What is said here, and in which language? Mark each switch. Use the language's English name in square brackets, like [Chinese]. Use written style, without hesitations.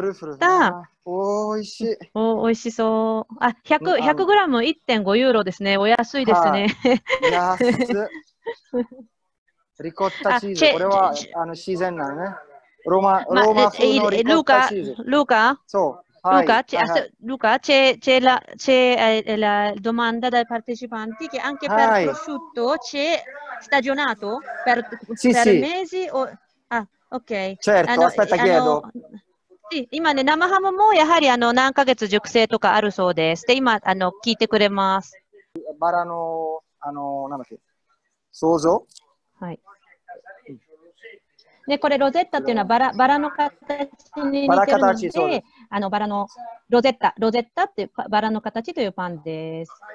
[Japanese] Truffle. おいしい。おいしそう。あ、100g 1.5 ユーロですね。お安いですね。安い。Ricotta cheese. これは自然なのね。ローマ風のリコッタチーズ。ルーカ? そう。 [Italian] Luca, c'è la domanda dai partecipanti che anche per prosciutto c'è stagionato per mesi o... Ah, ok. Certo, aspetta, chiedo. [Japanese] Sì, 今ね、生ハムもやはり何ヶ月熟成とかあるそうです。で、今聞いてくれます。バラの何だっけ、想像。はい。でこれロゼッタっていうのはバラの形に似てるので、バラのロゼッタっていうバラの形というパンです。